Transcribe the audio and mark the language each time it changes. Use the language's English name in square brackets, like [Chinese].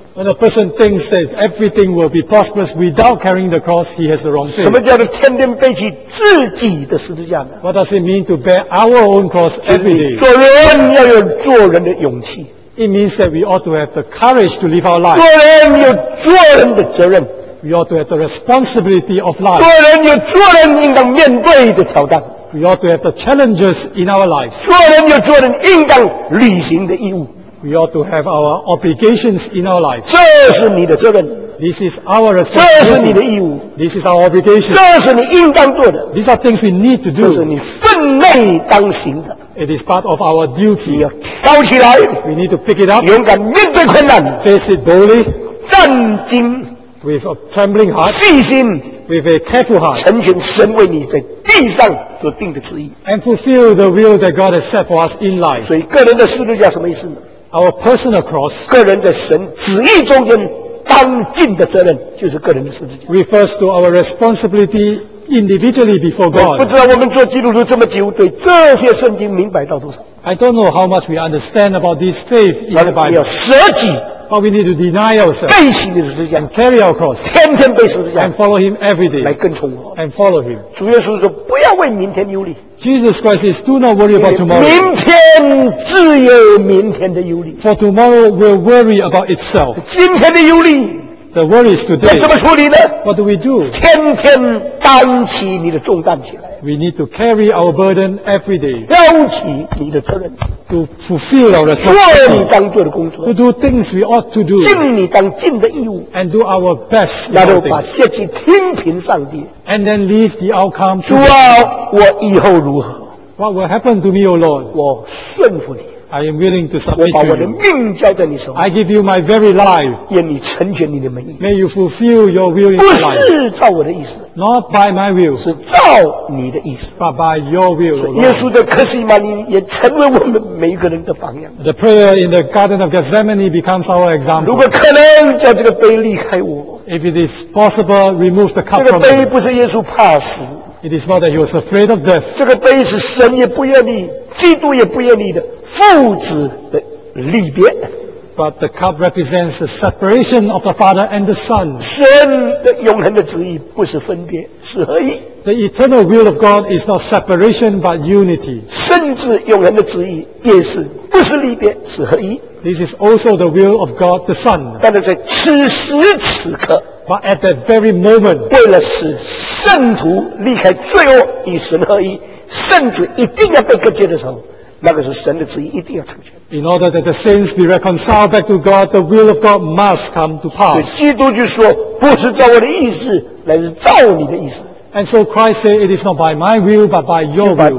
[English] When a person thinks that everything will be prosperous without carrying the cross, he has the wrong faith. [Chinese] 什么叫做天天背起自己的十字架呢？ [English] What does it mean to bear our own cross every day? [Chinese] 做人要有做人的勇气。 [English] It means that we ought to have the courage to live our life. [Chinese] 做人有做人的责任。 [English] We ought to have the responsibility of life. [Chinese] 做人有做人应当面对的挑战。 [English] We ought to have the challenges in our lives. [Chinese] 做人有做人应当履行的义务。 [English] We ought to have our obligations in our lives. [Chinese] 这是你的责任。 [English] This is our responsibility. [Chinese] 这是你的义务。 [English] This is our obligation. [Chinese] 这是你应当做的。 [English] These are things we need to do. [Chinese] 这是你分内当行的。 [English] It is part of our duty. [Chinese] 挑起来。 [English] We need to pick it up. [Chinese] 勇敢面对困难。 [English] Face it boldly. [Chinese] 战兢。 [English] With a trembling heart, [Chinese] 信心 [English] with a careful heart, [Chinese] 成全神为你在地上所定的旨意 [English] and fulfill the will that God has set for us in life. [Chinese] 所以个人的十字架什么意思呢？ [English] Our personal cross, [Chinese] 个人在神旨意中间当尽的责任，就是个人的十字架 [English] refers to our responsibility individually before God. [Chinese] 不知道我们做基督徒这么久，对这些圣经明白到多少？ [English] I don't know how much we understand about this faith in the Bible. [Chinese] 你要舍己。 [English] But we need to deny ourselves. [Chinese] 背起你的十字架 [English] and carry our cross. [Chinese] 天天背十字架 [English] and follow Him every day. [Chinese] 来跟从我 [English] and follow Him. [Chinese] 主耶稣说：“不要为明天忧虑。” [English] Jesus Christ says, "Do not worry about tomorrow." [Chinese] 明天自有明天的忧虑 [English] For tomorrow will worry about itself. [Chinese] 今天的忧虑 [English] The worries today. [Chinese] 要怎么处理呢？ [English] What do we do? [Chinese] 天天担起你的重担起来 [English] We need to carry our burden every day. [Chinese] 挑起你的责任。 [English] To fulfill our responsibility, [Chinese] 做你当做的工作 [English] to do things we ought to do, [Chinese] 尽你当尽的义务 [English] and do our best, [Chinese] 然后把结局听凭上帝 [English] and then leave the outcome to [Chinese] God. 主啊，我以后如何 [English] What will happen to me, O Lord? [Chinese] 我顺服你 [English] I am willing to submit to you. [Chinese] 我把我的命交在你手里 [English] I give you my very life. [Chinese] 愿你成全你的美意 [English] May you fulfill your will in my life. [Chinese] 不是照我的意思 [English] Not by my will. [Chinese] 是照你的意思 [English] But by your will, O Lord. [Chinese] 耶稣在克西马尼也成为我们每一个人的榜样 [English] The prayer in the Garden of Gethsemane becomes our example. [Chinese] 如果可能，叫这个杯离开我 [English] If it is possible, remove the cup from me. [Chinese] 这个杯不是耶稣怕死 [English] It is not that he was afraid of death. [Chinese] 这个杯是神也不愿意基督也不愿意的父子的离别 [English] But the cup represents the separation of the Father and the Son. [Chinese] 神的永恒的旨意不是分别是合一 [English] The eternal will of God is not separation but unity. [Chinese] 甚至永恒的旨意也是不是离别是合一 [English] This is also the will of God the Son. [Chinese] 但是在此时此刻 [English] But at that very moment [Chinese] 为了使圣徒离开罪恶与神合一圣子一定要被割绝的时候那个是神的旨意一定要成全 [English] In order that the saints be reconciled back to God the will of God must come to pass [Chinese] 所以基督就说不是照我的意思乃是照你的意思 [English] And so Christ said it is not by my will but by your will